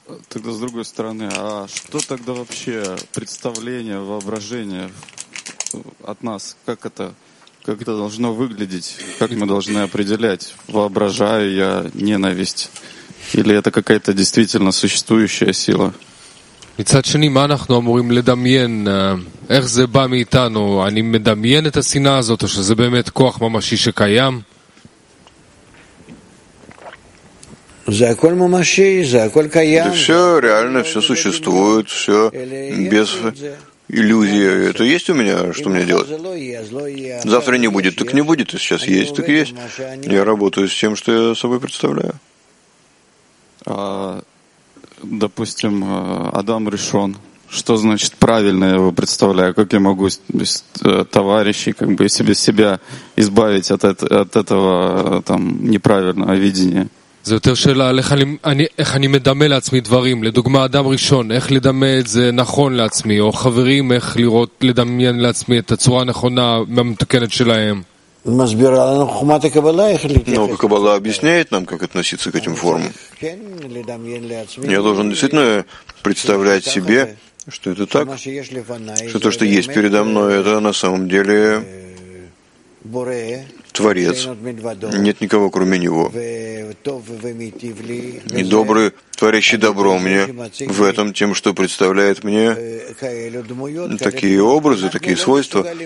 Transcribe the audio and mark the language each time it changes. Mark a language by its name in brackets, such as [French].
[Russian] Тогда с другой стороны, а что тогда вообще представление, воображение от нас, как это должно выглядеть, как мы должны определять, воображаю я ненависть, или это какая-то действительно существующая сила? [Hebrew] מצד שני, מה אנחנו אמורים לדמיין? איך זה בא מאיתנו? אני מדמיין את השנאה הזאת, או שזה באמת כוח ממשי שקיים? זה הכל ממשי, זה הכל קיים. זה [Russian] все реально, все существует, все без иллюзии. Это есть у меня, что мне делать? Завтра не будет, так не будет, и сейчас есть, так есть. Я работаю с тем, что я собой представляю. Допустим, Адам решен. Что значит правильно я его представляю? Как я могу без товарищей, как бы себя избавить от этого там неправильного видения? [Hebrew] זה יותר שאלה על איך אני, איך אני מדמה לעצמי דברים. לדוגמה, אדם ראשון, איך לדמה את זה נכון לעצמי, או חברים, איך לראות, לדמיין לעצמי את הצורה הנכונה המתוקנת שלהם. מסבירה לנו חוכמת הקבלה, איך להתייחס. נו, הקבלה [Russian] объясняет нам, как относиться к этим формам. [Hebrew] כן, לדמיין לעצמי. [Russian] Я должен действительно представлять себе, что это так, что то, что есть передо мной, это на самом деле Творец. Нет никого, кроме Него. И добрый, творящий добро мне в этом, тем, что представляет мне такие образы, такие свойства.